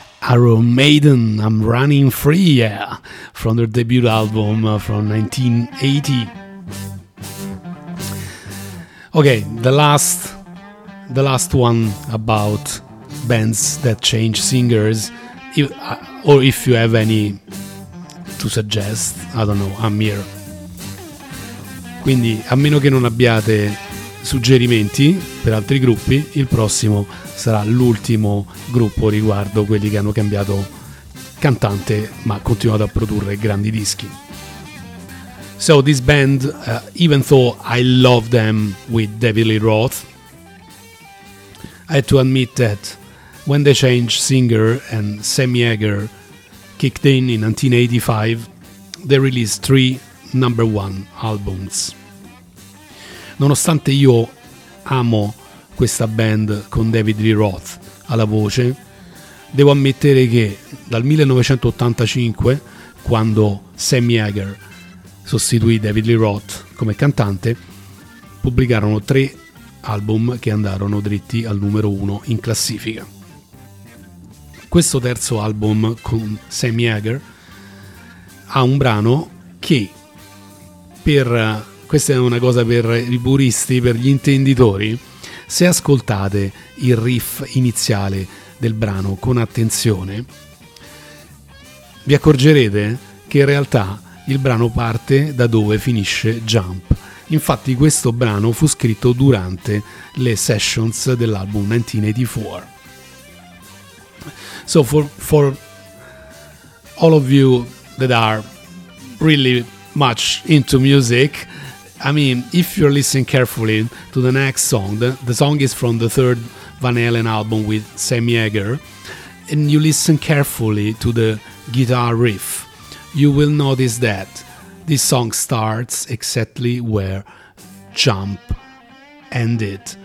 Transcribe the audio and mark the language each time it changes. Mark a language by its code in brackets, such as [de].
[en] Iron Maiden, I'm Running Free, yeah, from their debut album from 1980. Okay, the last one about bands that change singers, if you have any to suggest, I don't know, I'm here. [it] Quindi, a meno che non abbiate suggerimenti per altri gruppi, il prossimo sarà l'ultimo gruppo riguardo quelli che hanno cambiato cantante ma continuato a produrre grandi dischi. [en] So this band, even though I love them, with David Lee Roth, I had to admit that when they changed singer and Sammy Hagar kicked in 1985, they released 3 number one albums. [it] Nonostante io amo questa band con David Lee Roth alla voce, devo ammettere che dal 1985, quando Sammy Hagar sostituì David Lee Roth come cantante, pubblicarono 3 album che andarono dritti al numero 1 in classifica. Questo terzo album con Sammy Hagar ha un brano che, per questa è una cosa per i puristi, per gli intenditori, se ascoltate il riff iniziale del brano con attenzione, vi accorgerete che in realtà il brano parte da dove finisce Jump. Infatti questo brano fu scritto durante le sessions dell'album 1984. [en] So for all of you that are really much into music, I mean, if you're listening carefully to the next song, the song is from the 3rd Van Halen album with Sammy Hagar, and you listen carefully to the guitar riff, you will notice that this song starts exactly where Jump ended.